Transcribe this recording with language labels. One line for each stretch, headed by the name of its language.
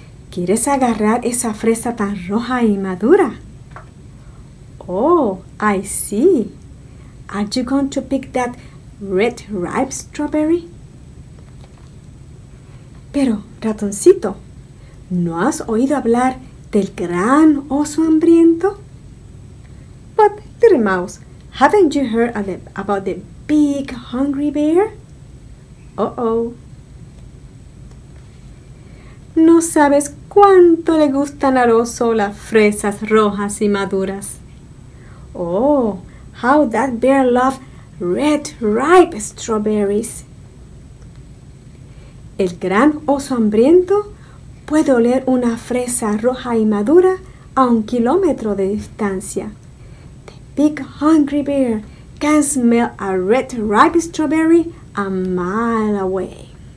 Spanish: ¿Quieres agarrar esa fresa tan roja y madura?
English: Oh, I see. Are you going to pick that red ripe strawberry?
Spanish: Pero, ratoncito, ¿no has oído hablar del gran oso hambriento?
English: But, little mouse, haven't you heard about the big hungry bear? Uh-oh.
Spanish: No sabes cuánto le gustan al oso las fresas rojas y maduras.
English: Oh, how that bear loves red ripe strawberries.
Spanish: El gran oso hambriento puede oler una fresa roja y madura a un kilómetro de distancia.
English: The big hungry bear can smell a red ripe strawberry a mile away.